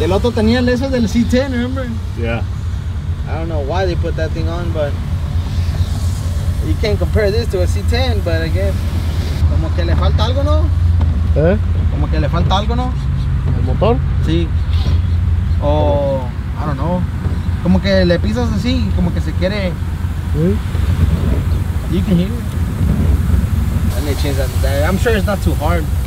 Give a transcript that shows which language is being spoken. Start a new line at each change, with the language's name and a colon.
Spanish: El otro tenía el eso del C10,
English: remember? Yeah. I don't know why they put that thing on, but you can't compare this to a C10, but I guess.
Spanish: Como que le falta algo, no? Eh? Como que le falta algo, no? El motor? Sí. O,
English: I don't know.
Spanish: Como que le pisas así, como que se quiere. Sí.
English: You can hear it. Change that. I'm sure it's not too hard.